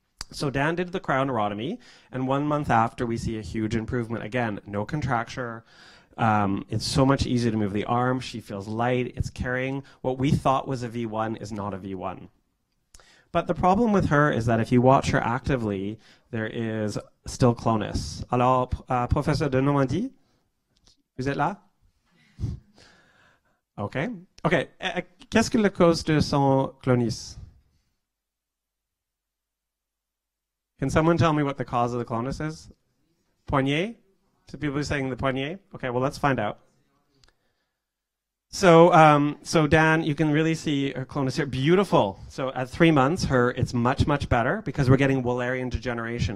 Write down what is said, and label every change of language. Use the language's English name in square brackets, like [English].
[English] So Dan did the cryoneurotomy, and 1 month after we see a huge improvement. Again, no contracture. It's so much easier to move the arm. She feels light. It's carrying. What we thought was a V1 is not a V1. But the problem with her is that if you watch her actively, there is still clonus. [French] Alors, Professor de Normandie, vous êtes là? Okay. Okay. Qu'est-ce que la cause de son clonus? [English] Can someone tell me what the cause of the clonus is? Poignet? So people are saying the poignet? Okay, well, let's find out. So Dan, you can really see her clonus here. Beautiful. So at 3 months, it's much, much better because we're getting Wallerian degeneration.